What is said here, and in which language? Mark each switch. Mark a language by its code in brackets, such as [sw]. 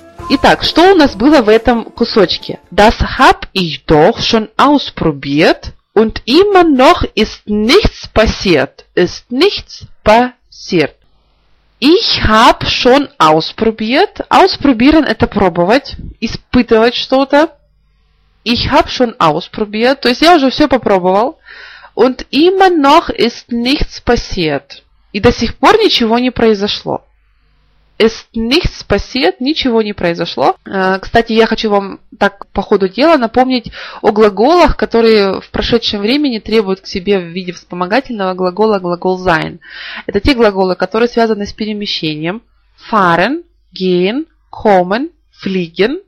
[ru] Итак, что у нас было в этом кусочке? [de] Das hab ich doch schon ausprobiert und immer noch ist nichts passiert. Ist nichts passiert. Ich hab schon ausprobiert. [ru] Ausprobieren – это пробовать, испытывать что-то. [de] Ich hab schon ausprobiert. [ru] То есть я уже все попробовал. [de] Und immer noch ist nichts passiert. [ru] И до сих пор ничего не произошло. [de] Ist nichts passiert, [ru] ничего не произошло. Кстати, я хочу вам так по ходу дела напомнить о глаголах, которые в прошедшем времени требуют к себе в виде вспомогательного глагола глагол sein. Это те глаголы, которые связаны с перемещением. Fahren, gehen, kommen, fliegen.